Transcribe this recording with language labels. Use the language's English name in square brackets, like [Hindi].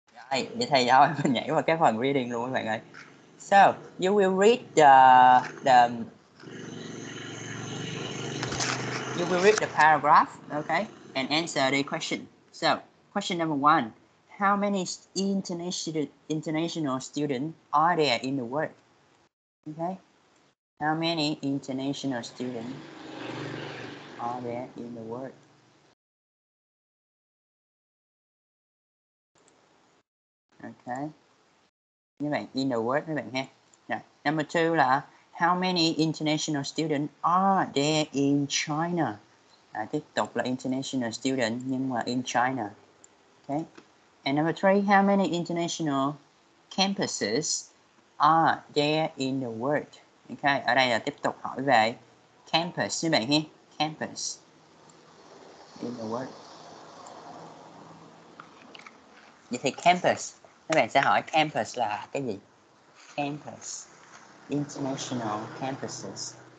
[Vietnamese] Đây, để thầy giáo mình nhảy vào cái phần reading luôn các bạn ơi. [English] So, you will read the paragraph, okay, and answer the question. So, question number one. How many international students are there in the world? Okay. How many international students are there in the world? Okay. [Vietnamese] Như vậy, [English] in the world, [Vietnamese] các bạn ha. [English] Yeah. Number two là how many international students are there in China? [Vietnamese] À, tiếp tục là international student nhưng mà in China. [English] Okay. And number three, how many international campuses are there in the world? [Vietnamese] Okay, ở đây là tiếp tục hỏi về campus, như vậy nhé, [English] campus in the world. [Vietnamese] Vậy thì campus, các bạn sẽ hỏi campus là cái gì? Campus, international campuses.